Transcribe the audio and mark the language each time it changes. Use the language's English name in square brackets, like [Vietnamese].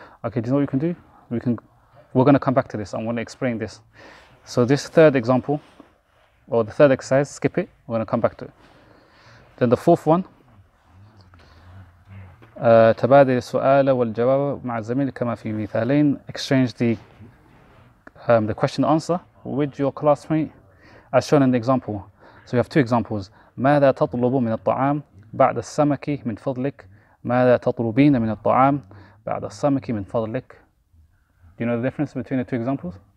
[English] Okay. Do you know what you can do? We can. We're going to come back to this. I'm going to explain this. So this third example, or the third exercise, skip it. We're going to come back to it. Then the fourth one. [Arabic] تبادل السؤال والجواب مع الزميل كما في مثالين. [English] Exchange the question answer with your classmate, as shown in the example. So we have 2 examples. [Arabic] ماذا تطلب من الطعام بعد السمك من فضلك؟ ماذا تطلبين من الطعام بعد السمك من فضلك؟ [English] Do you know the difference between the 2 examples?